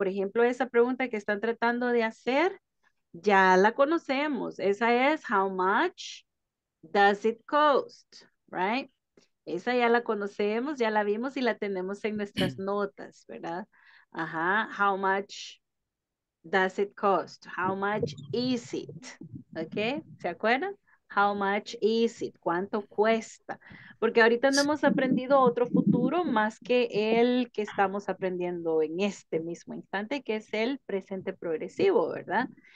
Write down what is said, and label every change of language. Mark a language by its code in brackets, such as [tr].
[es] Por ejemplo, esa pregunta que están tratando de hacer, ya la conocemos. Esa es, [en] how much does it cost, right? [es] Esa ya la conocemos, ya la vimos y la tenemos en nuestras notas, ¿verdad? [en] Ajá, how much does it cost? How much is it? Okay, [es] ¿se acuerdan? [en] How much is it? [es] ¿Cuánto cuesta? Porque ahorita no hemos aprendido otro futuro más que el que estamos aprendiendo en este mismo instante, que es el presente progresivo, ¿verdad?